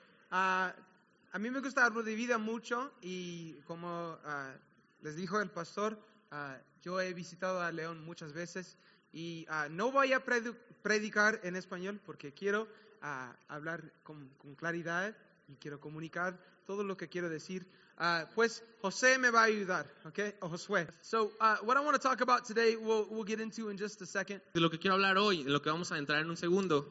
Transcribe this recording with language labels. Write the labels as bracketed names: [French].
[Spanish] A mí me gusta Rudy Vida mucho y como les dijo el pastor, yo he visitado a León muchas veces y no voy a predicar en español porque quiero hablar con claridad y quiero comunicar todo lo que quiero decir. Pues José me va a ayudar, okay? O Josué. [English] So, what I want to talk about today, we'll get into in just a second. [Spanish] De lo que quiero hablar hoy, de lo que vamos a entrar en un segundo.